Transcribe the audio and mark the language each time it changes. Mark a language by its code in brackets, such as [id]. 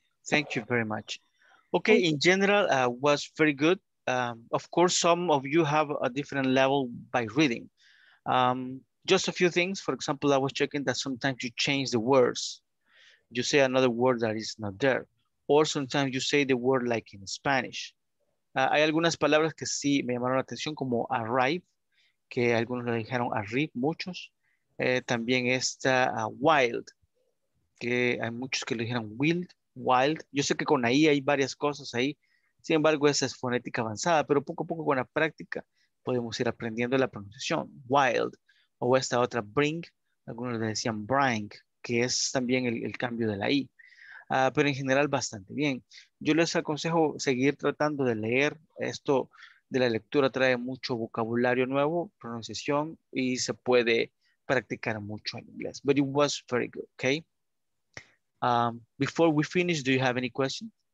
[en] Thank you very much. Okay, in general, was very good. Of course, some of you have a different level by reading. Just a few things. For example, I was checking that sometimes you change the words. You say another word that is not there. Or sometimes you say the word like in Spanish. [es] Hay algunas palabras que sí me llamaron la atención, como arrive, que algunos le dijeron arrive, muchos. También está wild, que hay muchos que le dijeron wild. Wild. Yo sé que con ahí hay varias cosas ahí. Sin embargo, esa es fonética avanzada, pero poco a poco con la práctica podemos ir aprendiendo la pronunciación. Wild. O esta otra, bring. Algunos le decían bring, que es también el cambio de la I. Pero en general, bastante bien. Yo les aconsejo seguir tratando de leer. Esto de la lectura trae mucho vocabulario nuevo, pronunciación, y se puede practicar mucho en inglés. [en] But it was very good, okay? Before we finish, do you have any questions?